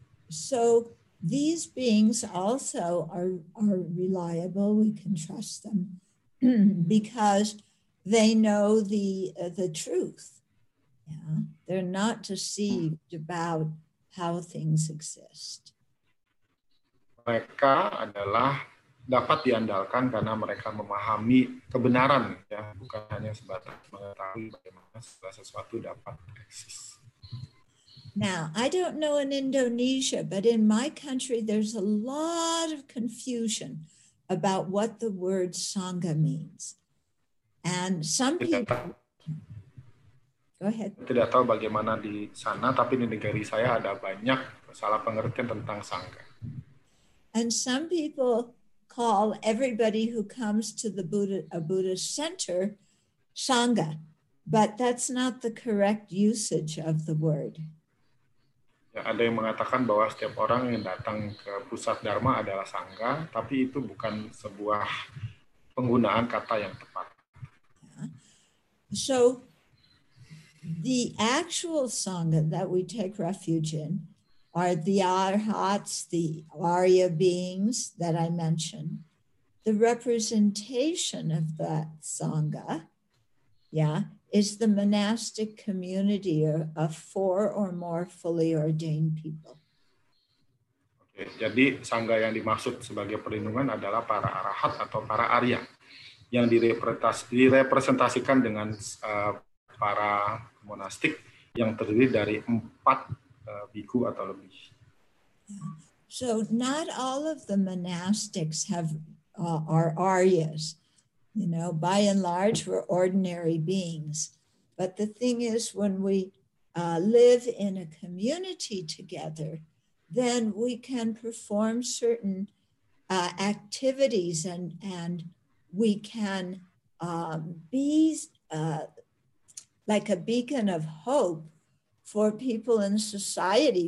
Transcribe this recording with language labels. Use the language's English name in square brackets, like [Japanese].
[English] So these beings also are reliable, we can trust them, because they know the truth. Yeah, they're not deceived about how things exist. [Indonesian] Mereka adalah dapat diandalkan karena mereka memahami kebenaran, ya, bukan hanya sebatas mengetahui bagaimana sesuatu dapat eksis. [English] Now, I don't know in Indonesia, but in my country there's a lot of confusion about what the word Sangha means. And some people... Go ahead. [Indonesian] Tidak tahu bagaimana di sana, tapi di negeri saya ada banyak salah pengertian tentang Sangha. [English] And some people call everybody who comes to the Buddha, a Buddhist center, Sangha, but that's not the correct usage of the word. [Indonesian] Ya, ada yang mengatakan bahwa setiap orang yang datang ke pusat Dharma adalah Sangha, tapi itu bukan sebuah penggunaan kata yang tepat. [English] So, the actual Sangha that we take refuge in are the arhats, the Arya beings that I mentioned, the representation of that Sangha, yeah, is the monastic community of four or more fully ordained people. [Indonesian] Okay, jadi Sangha yang dimaksud sebagai perlindungan adalah para arhat atau para Arya yang direpresentasikan dengan para monastik yang terdiri dari empat biku atau lebih. [English] So not all of the monastics have are Aryas. You know, by and large we're ordinary beings. But the thing is, when we live in a community together, then we can perform certain activities and we can be like a beacon of hope for people in society.